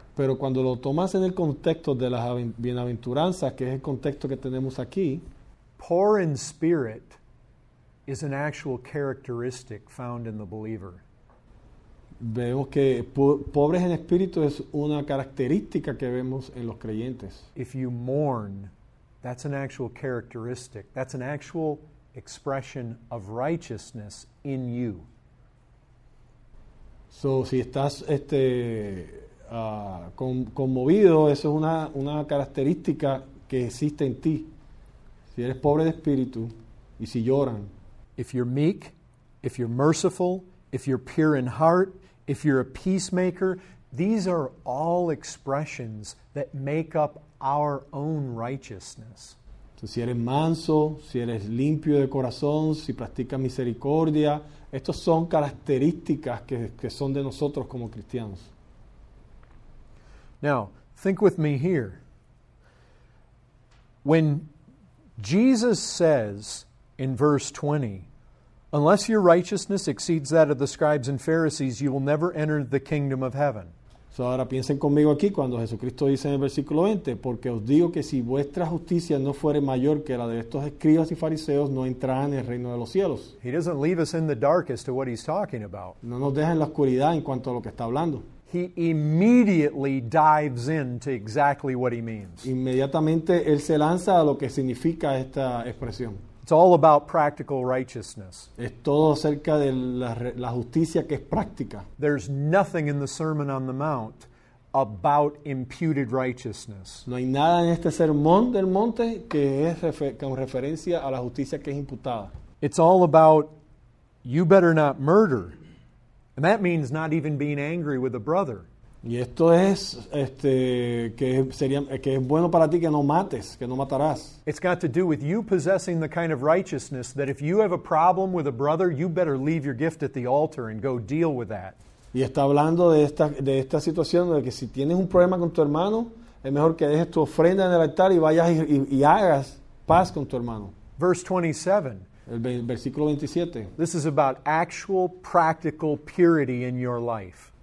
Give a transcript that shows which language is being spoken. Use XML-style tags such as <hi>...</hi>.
<es>pero cuando lo tomas en el contexto de las bienaventuranzas, que es el contexto que tenemos aquí,</es> <en>poor in spirit is an actual characteristic found in the believer.</en> <es>Vemos que pobres en espíritu es una característica que vemos en los creyentes.</es> <en>If you mourn, that's an actual characteristic. That's an actual expression of righteousness in you.</en> <es>So, si estás conmovido, eso es una característica que existe en ti. Si eres pobre de espíritu y si lloran.</es> <en>If you're meek, if you're merciful, if you're pure in heart, if you're a peacemaker, these are all expressions that make up our own righteousness.</en> <es>Entonces, si eres manso, si eres limpio de corazón, si practicas misericordia, estas son características que son de nosotros como cristianos.</es> <en>Now, think with me here. When Jesus says in verse 20, unless your righteousness exceeds that of the scribes and Pharisees, you will never enter the kingdom of heaven.</en> <es>So ahora piensen conmigo aquí cuando Jesucristo dice en el versículo 20, porque os digo que si vuestra justicia no fuere mayor que la de estos escribas y fariseos, no entrarán en el reino de los cielos.</es> <en>He doesn't leave us in the dark as to what he's talking about.</en> <es>No nos deja en la oscuridad en cuanto a lo que está hablando.</es> <en>He immediately dives into exactly what he means.</en> <es>Inmediatamente él se lanza a lo que significa esta expresión.</es> <en>It's all about practical righteousness.</en> <es>Es todo acerca de la justicia que es práctica.</es> <en>There's nothing in the Sermon on the Mount about imputed righteousness.</en> <es>No hay nada en este sermón del monte que es con referencia a la justicia que es imputada.</es> <en>It's all about you better not murder. And that means not even being angry with a brother.</en> <es>Y esto es que es bueno para ti que no mates, que no matarás.</es> <en>It's got to do with you possessing the kind of righteousness that if you have a problem with a brother, you better leave your gift at the altar and go deal with that.</en> <es>Y está hablando de esta situación de que si tienes un problema con tu hermano, es mejor que dejes tu ofrenda en el altar y vayas y hagas paz con tu hermano.</es> <en>Verse 27.</en> <es>Versículo 27.</es> <en>This is about actual practical purity in your life.</en>